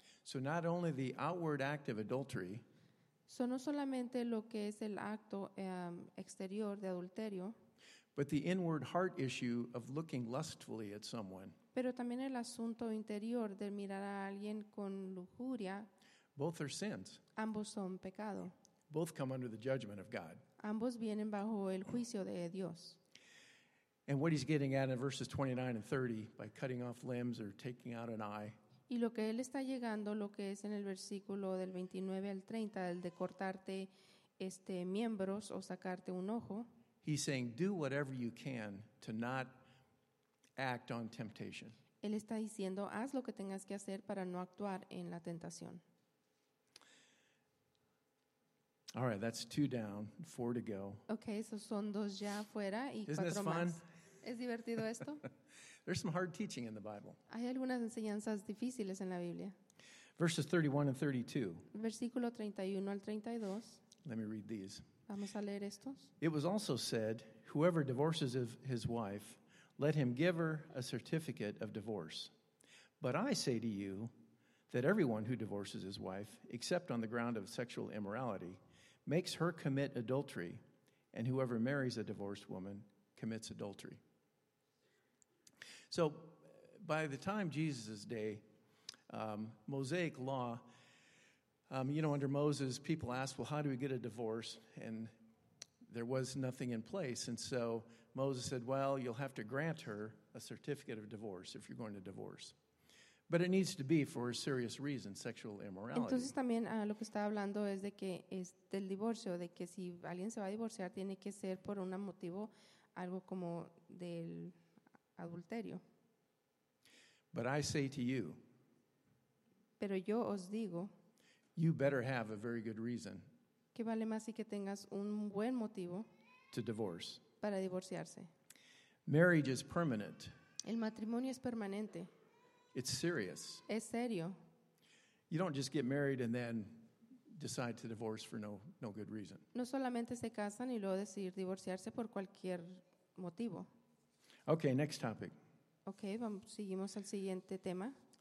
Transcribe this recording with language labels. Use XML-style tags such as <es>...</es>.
<en>So not only the outward act of adultery,</en> <es>so no solamente lo que es el acto exterior de adulterio,</es> <en>but the inward heart issue of looking lustfully at someone.</en> <es>Pero también el asunto interior de mirar a alguien con lujuria.</es> <en>Both are sins.</en> <es>Ambos son pecado.</es> <en>Both come under the judgment of God.</en> <es>Ambos vienen bajo el juicio de Dios.</es> <en>And what he's getting at in verses 29 and 30 by cutting off limbs or taking out an eye.</en> <es>Y lo que él está llegando, lo que es en el versículo del 29 al 30, el de cortarte miembros o sacarte un ojo.</es> <en>He's saying, do whatever you can to not act on temptation.</en> <es>Él está diciendo, haz lo que tengas que hacer para no actuar en la tentación.</es> <en>All right, that's two down, four to go.</en> <es>Okay, so son dos ya fuera y</es> <en>Isn't</en> <es>cuatro</es> <en>this fun?</en> <es>Más. ¿Es divertido esto?</es> <en>There's some hard teaching in the Bible.</en> <es>Hay algunas enseñanzas difíciles en la Biblia.</es> <en>Verses 31 and 32.</en> <es>Versículo 31 al 32.</es> <en>Let me read these.</en> <es>Vamos a leer estos.</es> <en>It was also said, whoever divorces his wife, let him give her a certificate of divorce. But I say to you that everyone who divorces his wife, except on the ground of sexual immorality, makes her commit adultery, and whoever marries a divorced woman commits adultery. So by the time Jesus' day, Mosaic law, under Moses, people asked, well, how do we get a divorce? And there was nothing in place. And so Moses said, well, you'll have to grant her a certificate of divorce if you're going to divorce. But it needs to be for a serious reason, sexual immorality.</en> <es>Entonces también lo que estaba hablando es de que es del divorcio, de que si alguien se va a divorciar, tiene que ser por un motivo, algo como del adulterio.</es> <en>But I say to you,</en> <es>pero yo os digo,</es> <en>you better have a very good reason,</en> <es>que vale más si que tengas un buen motivo,</es> <en>to divorce,</en> <es>para divorciarse.</es> <en>Marriage is permanent.</en> <es>El matrimonio es permanente.</es> <en>It's serious.</en> <es>Es serio.</es> <en>You don't just get married and then decide to divorce for no good reason.</en> <es>No solamente se casan y luego decidir divorciarse por cualquier motivo.</es> <en>Okay, next topic.</en> <es>Okay, vamos, seguimos al siguiente tema.</es>